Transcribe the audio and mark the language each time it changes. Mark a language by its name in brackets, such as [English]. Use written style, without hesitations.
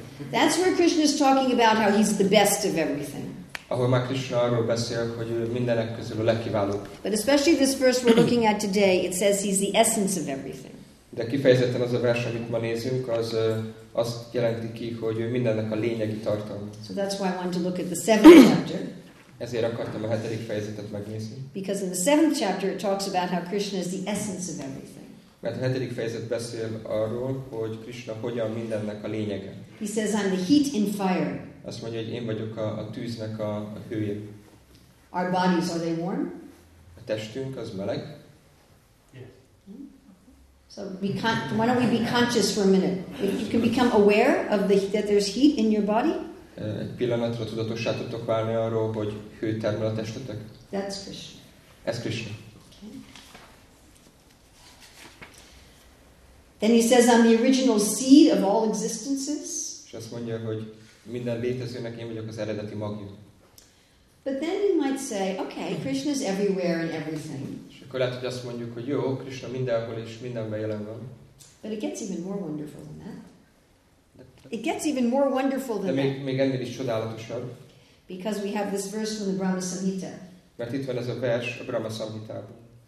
[English] That's where Krishna is talking about how he's the best of everything. [Hungarian] Ahol már Krishna arról beszél, hogy ő mindenek közül a legkiválóbb. [English] But especially this verse we're looking at today, it says he's the essence of everything. [Hungarian] De kifejezetten az a vers, amit ma nézünk, az azt jelenti ki, hogy ő mindennek a lényegi tartalma. [English] So that's why I want to look at the seventh chapter. [Hungarian] Ezért akartam a hetedik fejezetet megnézni. [English] Because in the seventh chapter it talks about how Krishna is the essence of everything. [Hungarian] Mert a hetedik fejezet beszél arról, hogy Krishna hogyan mindennek a lényege. [English] He says, I'm the heat in fire. [Hungarian] Azt mondja, hogy én vagyok a tűznek a hője. [English] Our bodies, are they warm? [Hungarian] A testünk az meleg. [English] So why don't we be conscious for a minute? If you can become aware of that there's heat in your body. [Hungarian] Egy pillanatra tudatossá tudtok válni arról, hogy hő termel a testetek. [English] That's Krishna. [Hungarian] Ez Krishna. [English] Okay. Then he says, I'm the original seed of all existences. [Hungarian] És azt mondja, hogy minden létezőnek én vagyok az eredeti magja. [English] But then you might say, okay, Krishna is everywhere and everything. [Hungarian] És akkor lehet, hogy azt mondjuk, hogy jó, Krishna mindenhol és mindenben jelen van. [English] But it gets even more wonderful than that. It gets even more wonderful than [Hungarian] De még, [English] that. [Hungarian] Még ennél is csodálatosabb. [English] Because we have this verse from the Brahma Samhita. [Hungarian] Mert itt van ez a vers a Brahma Samhitában.